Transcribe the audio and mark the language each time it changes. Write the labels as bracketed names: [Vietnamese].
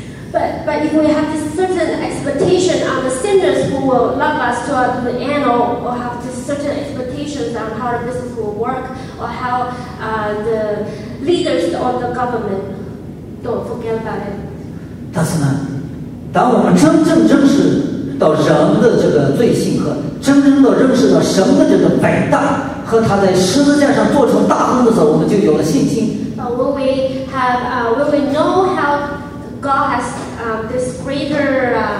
[English] But if we have this certain expectation on the sinners who will love us to the end, or have this certain expectations on how the business will work, or how the leaders or the government, don't forget about it. [Chinese] 但是呢，当我们真正认识到人的这个罪性和真正的认识到神的这个伟大和他在十字架上做成大功的时候，我们就有了信心。 [English] When we know how God has this greater